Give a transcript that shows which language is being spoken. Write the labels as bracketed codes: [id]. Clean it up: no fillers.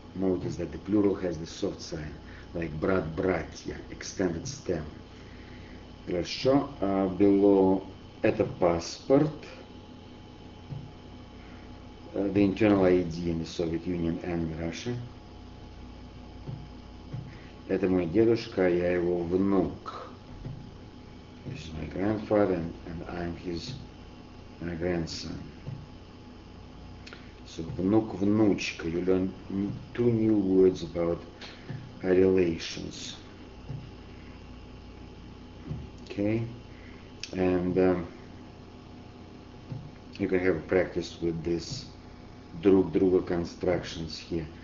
[en] Notice that the plural has the soft sign, like [ru] брат, братья, [en] extended stem. [ru] Хорошо. [en] Below, [ru] это паспорт. [en] The internal ID in the Soviet Union and Russia. [ru] Это мой дедушка, я его внук. [en] This is my grandfather and I'm his grandson. So, [ru] внук, внучка. [en] You learn two new words about relations. Okay, and you can have a practice with this druga constructions here.